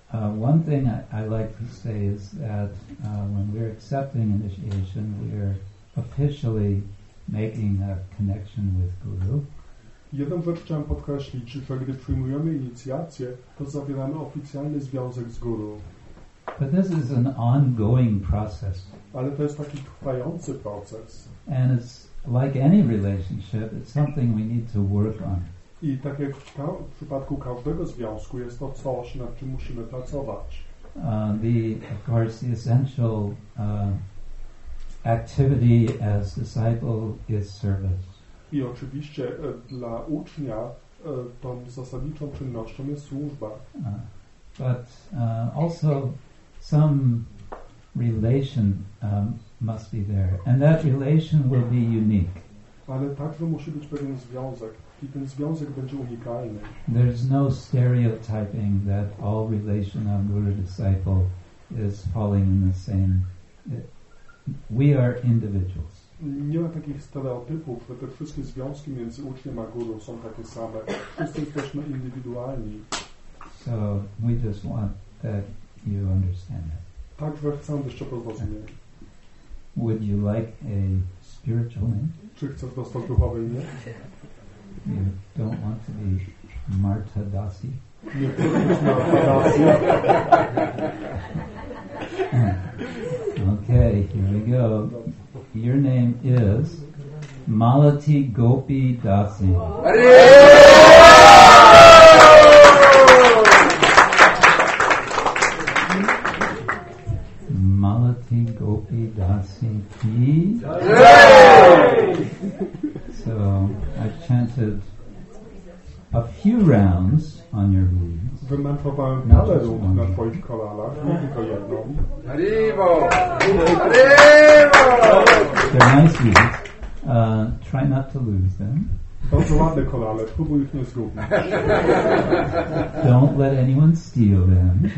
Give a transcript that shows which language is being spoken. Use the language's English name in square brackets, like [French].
[English] One thing I like to say is that when we're accepting initiation, we're officially making a connection with Guru. [Polish] Jedną rzecz chciałem podkreślić, że gdy przyjmujemy inicjację, to zawieramy oficjalny związek z Guru. [English] But this is an ongoing process. [Polish] Ale to jest taki trwający proces. [English] And it's like any relationship, it's something we need to work on. [Polish] I tak jak w przypadku każdego związku, jest to coś, nad czym musimy pracować. [English] Of course, the essential activity as disciple is service. [Polish] I oczywiście dla ucznia tą zasadniczą czynnością jest służba. [English] But also some relation must be there. And that relation will be unique. [Polish] Ale także musi być pewien związek. I ten związek będzie unikalny. [English] There's no stereotyping that all relation of guru disciple is falling in the same. We are individuals. [Polish] Nie ma takich stereotypów, że te wszystkie związki między uczniem a guru są takie same. Wszyscy jesteśmy indywidualni. [English] So we just want that you understand it. [Polish] Także chcę, byś to zrozumiał. [English] Would you like a spiritual name? [Polish] Czy chcesz dostać duchowe imię? [English] You don't want to be Marta Dasi. [Polish] Nie chcesz być Marta Dasi. [English] Okay, here we go. Your name is Malati Gopi Dasi. Malati Gopi Dasi Ki. So I chanted a few rounds on your knees. [Polish] Wymantowałem parę rund na twoich kolanach, nie tylko jedną. [Italian] Arrivo! Arrivo! [English] They're nice beads. Try not to lose them. [Polish] Bardzo ładne kolale, próbuj ich nie zgubić. [English] Don't let anyone steal them.